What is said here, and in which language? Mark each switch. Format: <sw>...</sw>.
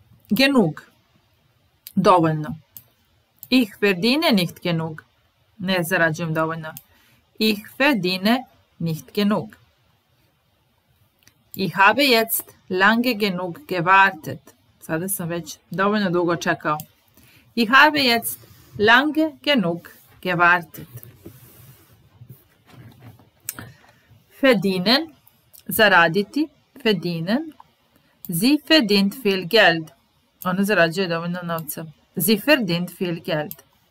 <de>Genug.</de> <sr>Dovoljno.</sr> <de>Ich verdiene nicht genug.</de> <sr>Ne zarađujem dovoljno.</sr> <de>Ich verdiene nicht genug. Ich habe jetzt lange genug gewartet.</de> <sr>Sada sam već dovoljno dugo čekao.</sr> <de>Ich habe jetzt lange genug gewartet. Verdienen,</de> <sr>zaraditi,</sr> <de>verdienen. Sie verdient viel Geld.</de> <sr>Ona zarađuje dovoljno novca.</sr> <de>Sie verdient viel Geld.</de>